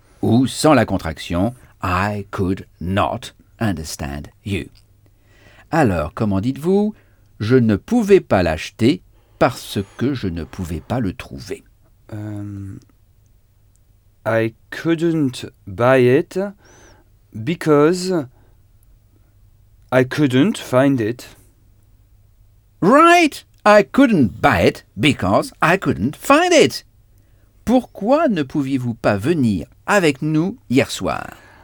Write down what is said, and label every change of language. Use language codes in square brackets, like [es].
[fr] Ou sans la contraction, [en] I could not understand you. [fr] Alors, comment dites-vous? Je ne pouvais pas l'acheter parce que je ne pouvais pas le trouver. [en] I couldn't buy it because I couldn't find it. Right! I couldn't buy it because I couldn't find it. [fr] Pourquoi ne pouviez-vous pas venir avec nous hier soir?